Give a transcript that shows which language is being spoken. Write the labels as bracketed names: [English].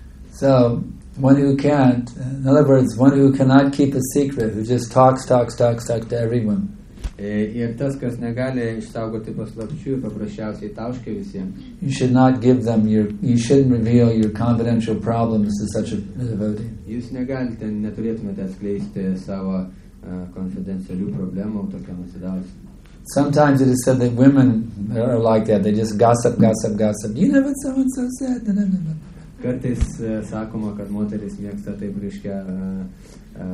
[English] So, one who can't, in other words, one who cannot keep a secret, who just talks to everyone. [Lithuanian] Ir tas, kas negali išsaugoti paslapčių, paprasčiausiai tauškia visiems. [English] You should not give them you shouldn't reveal your confidential problems to such a devotee. [Lithuanian] Jūs negalite, neturėtumėte atskleisti savo konfidencialių problemų tokiam atsidavusiam. [English] Sometimes it is said that women are like that. They just gossip. You know what someone said? [Lithuanian] Kartais sakoma, kad moteris mėgsta taip reiškia